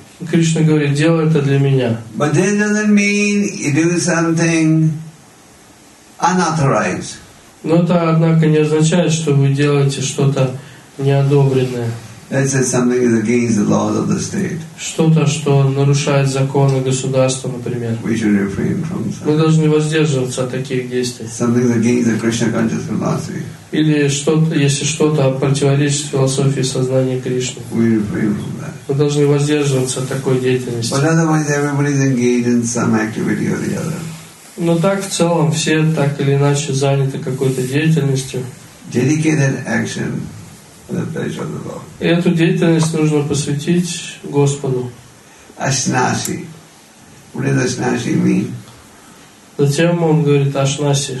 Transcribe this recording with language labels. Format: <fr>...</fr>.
<ru>Кришна говорит, делай это для меня. Но это не значит, что ты делаешь что-то unauthorized. Но это, однако, не означает, что вы делаете что-то неодобренное.</ru> <en>That says something is against the laws of the state.</en> <ru>Что-то, что нарушает законы государства, например.</ru> <en>We should refrain from that.</en> <ru>Мы должны воздерживаться от таких действий.</ru> <en>Something is against the Krishna conscious philosophy.</en> <ru>Или что-то, если что-то противоречит философии сознания Кришны.</ru> <en>We refrain from that.</en> <ru>Мы должны воздерживаться от такой деятельности.</ru> <en>But otherwise, everybody is engaged in some activity or the other.</en> <ru>Но так, в целом, все так или иначе заняты какой-то деятельностью.</ru> <en>Dedicated action for the pleasure of the Lord.</en> <ru>И эту деятельность нужно посвятить Господу.</ru> <en>Ашнаси. What does Ашнаси mean?</en> <ru>Затем он говорит Ашнаси.</ru>